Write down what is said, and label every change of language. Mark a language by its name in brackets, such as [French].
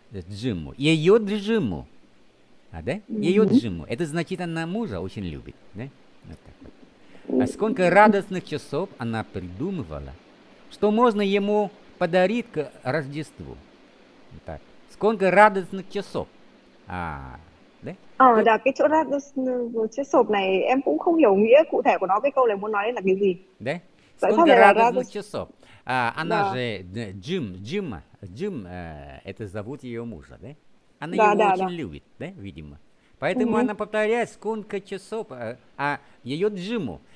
[Russian] Джиму. Ее Джиму. А, да? Ее Джиму. Это значит, она мужа очень любит. Да? Вот так вот. А сколько радостных часов она придумывала, что можно ему подарить к Рождеству. Так. Сколько радостных часов. А, да? [Vietnamese] À, là cái chỗ đó, cái sộp này em cũng không hiểu nghĩa cụ thể của nó, cái câu này muốn nói là cái gì, [Russian] Да? [Vietnamese] tại sao [Russian] Сколько [Vietnamese] lại là ra [Russian] радостных часов. А, она же Джим, это зовут ее мужа, да? Она его очень любит, да, видимо. Поэтому она повторяет, сколько часов, ее Джиму.